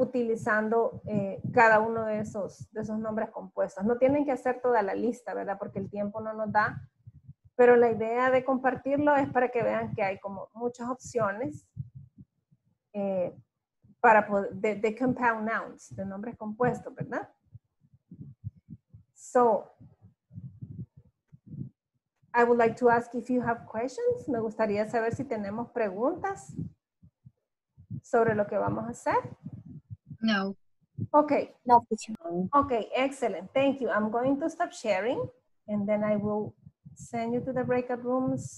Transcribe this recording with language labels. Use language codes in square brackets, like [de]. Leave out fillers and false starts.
[es] Utilizando cada uno de esos nombres compuestos. No tienen que hacer toda la lista, ¿verdad? Porque el tiempo no nos da. Pero la idea de compartirlo es para que vean que hay como muchas opciones para poder, de compound nouns, de nombres compuestos, ¿verdad? [en] So, I would like to ask if you have questions. [es] Me gustaría saber si tenemos preguntas sobre lo que vamos a hacer. No. [en] Okay. [es] No. [en] Okay, excellent. Thank you. I'm going to stop sharing and then I will send you to the breakout rooms.